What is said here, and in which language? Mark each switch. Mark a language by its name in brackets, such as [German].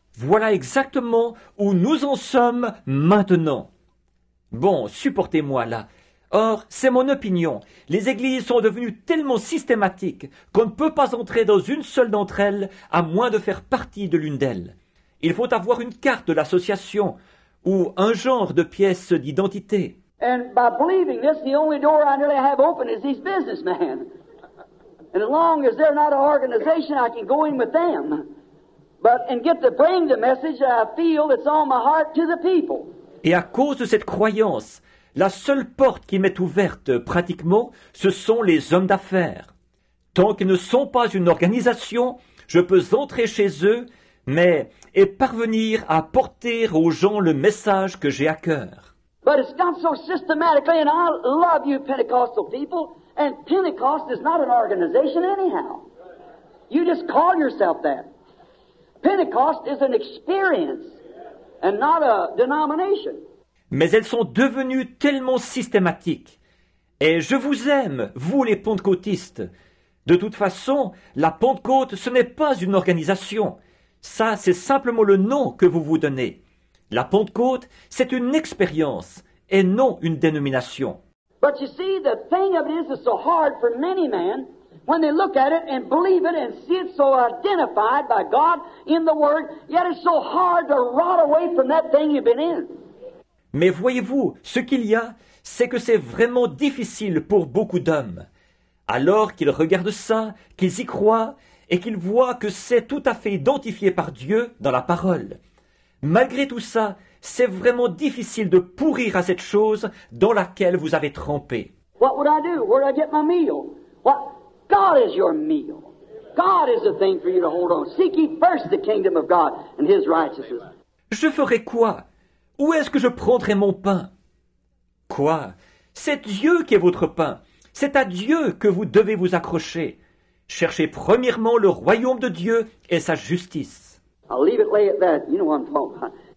[French] Voilà exactement où nous en sommes maintenant. Bon, supportez-moi là. Or, c'est mon opinion, les églises sont devenues tellement systématiques qu'on ne peut pas entrer dans une seule d'entre elles à moins de faire partie de l'une d'elles. Il faut avoir une carte de l'association ou un genre de pièce d'identité. [English] And by believing this, the only door I really have open is these businessmen. And as long as they're not an organization, I can go in with them. But and get to bring the message that I feel that's on my heart to the people. [French] Et à cause de cette croyance, la seule porte qui m'est ouverte, pratiquement, ce sont les hommes d'affaires. Tant qu'ils ne sont pas une organisation, Je peux entrer chez eux, mais et parvenir à porter aux gens le message que j'ai à cœur. [English] But it's done so systematically, and I love you Pentecostal people, and Pentecost is not an organization anyhow. You just call yourself that. Pentecost is an experience and not a denomination. [French] Mais elles sont devenues tellement systématiques. Et je vous aime, vous les pentecôtistes. De toute façon, la Pentecôte, ce n'est pas une organisation. Ça, c'est simplement le nom que vous vous donnez. La Pentecôte, c'est une expérience et non une dénomination. [English] But you see, the thing of it is, it's so hard for many men when they look at it and believe it and see it so identified by God in the Word, yet it's so hard to rot away from that thing you've been in. [French] Mais voyez-vous, ce qu'il y a, c'est que c'est vraiment difficile pour beaucoup d'hommes. Alors qu'ils regardent ça, qu'ils y croient, et qu'ils voient que c'est tout à fait identifié par Dieu dans la parole. Malgré tout ça, c'est vraiment difficile de pourrir à cette chose dans laquelle vous avez trempé. [English] What would I do? Where would I get my meal? What? God is your meal. God is the thing for you to hold on. Seek ye first the kingdom of God and his righteousness. [French] Je ferai quoi? Où est-ce que je prendrai mon pain? Quoi? C'est Dieu qui est votre pain. C'est à Dieu que vous devez vous accrocher. Cherchez premièrement le royaume de Dieu et sa justice. [English] I'll leave it, lay it there. You know what I'm talking about.